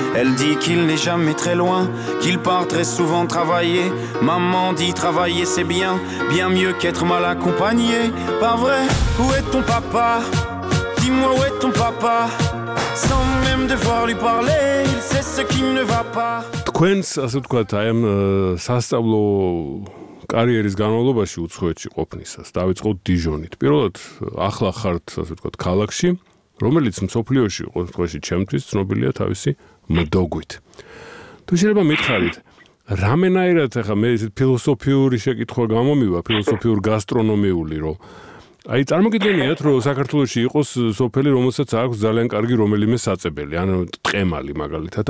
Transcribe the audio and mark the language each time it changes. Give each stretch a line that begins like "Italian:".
French: Elle dit qu'il n'est jamais très loin, qu'il part très souvent travailler. Maman dit travailler c'est bien, bien mieux qu'être mal accompagné. Pas vrai, où est ton papa? Dis-moi où est ton papa? Sans même devoir lui parler, il sait ce qui ne va pas. Quens, à ce que tu aimes, ça se
Georgian: კარიერის განმავლობაში უცხოეთში ყოფნისას დაიწყოთ დიჟონით. პირველად ახლა ხართ, ასე ვთქვათ, ქალაქში, რომელიც მსოფლიოში ყოველთვის ჩემთვის ცნობილია თავისი მდოგვით. თუ შეიძლება მითხარით, რამენაირად ახლა მე ეს ფილოსოფიური შეკითხვა გამომივა, ფილოსოფიური გასტრონომიული, რომ აი წარმოგიდგენიათ, რომ საქართველოში იყოს სოფელი, რომელსაც აქვს ძალიან კარგი რომელიმე საწებელი, ან ტყემალი მაგალითად.